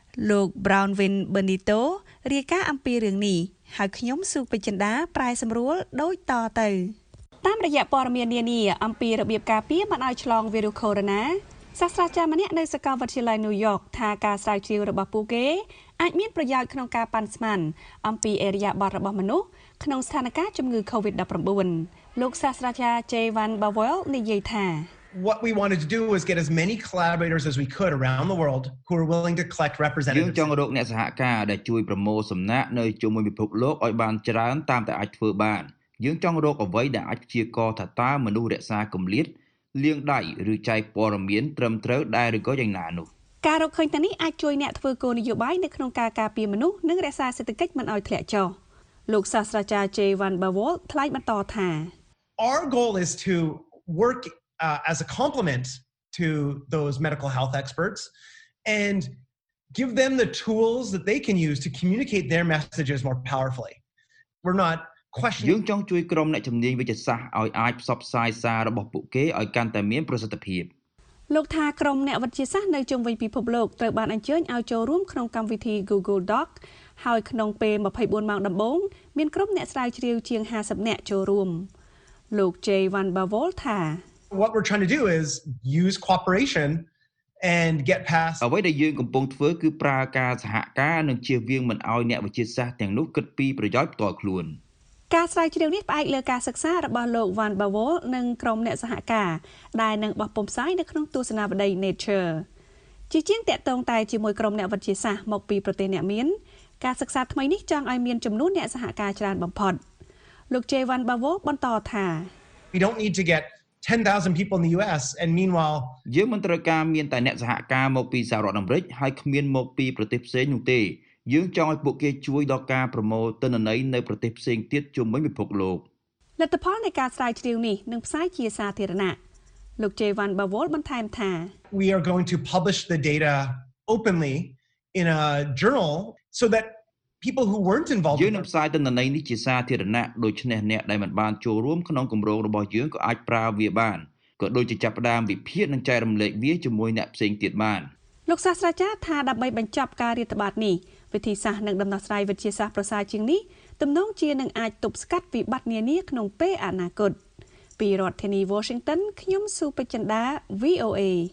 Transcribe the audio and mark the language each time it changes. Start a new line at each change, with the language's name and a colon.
Khmer: លោក Brownwin Benito រាយការណ៍អំពីរឿងនេះហើយខ្ញុំសុខបញ្ចិន្តាប្រែសម្រួលដូចតទៅតាមរយៈព័ត៌មាននានាអំពីរបៀបការពារមិនឲ្យឆ្លងវីរុសកូវីដ-សាស្ត្រាចារ្យម្នាក់នៅសាកលវិទ្យាល័យ New York ថាការស្រាវជ្រាវរបស់ពួកគេអាចមានប្រយោជន៍ក្នុងការប៉ាន់ស្មានអំពីអេរយាបថរបស់មនុស្សក្នុងស្ថានភាពជំងឺ COVID-19 លោកសាស្ត្រាចារ្យ J1 Bavel និយាយថា
English: What we wanted to do was get as many collaborators as we could around the world who were willing to collect representatives.
Khmer: យើងចង់រកអ្នកសហការដែលជួយប្រមូលសំណាក់នៅជុំវិញពិភពលោកឲ្យបានច្រើនតាមតែអាចធ្វើបាន។យើងចង់រកអ្វីដែលអាចជាកតថាតាមនុស្សរក្សាគម្លាតលាងដៃឬចែកព័ត៌មានត្រឹមត្រូវដែរឬក៏យ៉ាងណានោះ ។ការរកឃើញទាំងនេះអាចជួយអ្នកធ្វើគោលនយោបាយនៅក្នុងការការពារមនុស្សនិងរក្សាសេដ្ឋកិច្ចមិនឲ្យធ្លាក់ចុះ។លោកសាស្ត្រាចារ្យ J1 Bavel ថ្លែងបន្តថា
English: Our goal is to workas a complement to those medical health experts and give them the tools that they can use to communicate their messages more powerfully. We're not questioning
Khmer: យើងចង់ជួយក្រុមអ្នកជំនាញវិទ្យាសាស្ត្រឲ្យអាចផ្សព្វផ្សាយសាររបស់ពួកគេឲ្យកាន់តែមានប្រសិទ្ធភាព លោកថាក្រុមអ្នកវិទ្យាសាស្ត្រនៅជុំវិញពិភពលោកត្រូវបានអញ្ជើញឲ្យចូលរួមក្នុងកម្មវិធី Google Doc ហើយក្នុងពេល24ម៉ោងដំបូងមានក្រុមអ្នកស្រាវជ្រាវជាង50នាក់ចូលរួមលោក J1 Bavel ថា
English: What we're trying to do is use cooperation and get past
Khmer: អ្វីដែលយើងកំពុងធ្វើគឺប្រើការសហការនិងជៀសវាងមិនឲ្យអ្នកវិទ្យាសាស្ត្រទាំងនោះគិតពីប្រយោជន៍ផ្ទាល់ខ្លួន ការស្រាវជ្រាវនេះផ្អែកលើការសិក្សារបស់លោក Van Bavel និងក្រុមអ្នកសហការដែលនឹងបោះពំផ្សាយនៅក្នុងទស្សនាវដ្ដី Nature ជាជាងតាក់ទងតែជាមួយក្រុមអ្នកវិទ្យាសាស្ត្រមកពីប្រទេសអ្នកមានការសិក្សាថ្មីនេះចង់ឲ្យមានចំនួនអ្នកសហការច្រើនបំផុតលោក J Van Bavel បន្តថា
English: We don't need to get 10,000 people in the US and meanwhile
Khmer: យើងមិនត្រូវការមានតែអ្នកសហការមកពីសហរដ្ឋអាមេរិកហើយគ្មានមកពីប្រទេសផ្សេងនោះទេយើងចង់ឲ្យពួកគេជួយដល់ការប្រមូលទិន្នន័យនៅប្រទេសផ្សេងទៀតជុំវិញពិភពលោក លទ្ធផលនៃការស្រាវជ្រាវនេះនឹងផ្សាយជាសាធារណៈលោក J1 Bavel បន្ថែមថា
English: We are going to publish the data openly in a journal so thatpeople who weren't involved
Khmer: យើងនឹងផ្សាយទៅនៅនេះជាសាធារណៈដូច្នេះអ្នកដែលមិនបានចូលរួមក្នុងគម្រោងរបស់យើងក៏អាចប្រើវាបានក៏ដូចជាចាប់ផ្ដើមវិភាគនិងចែករំលែកវាជាមួយអ្នកផ្សេងទៀតបាន លោកសាស្ត្រាចារ្យថាដើម្បីបញ្ចប់ការរាតត្បាតនេះវិធីសាស្ត្រនិងដំណោះស្រាយវិទ្យាសាស្ត្រប្រសើរជាងនេះទំនងជានឹងអាចទប់ស្កាត់វិបត្តិនានាក្នុងពេលអនាគតពីរដ្ឋធានី Washington ខ្ញុំសុភចិន្តា VOA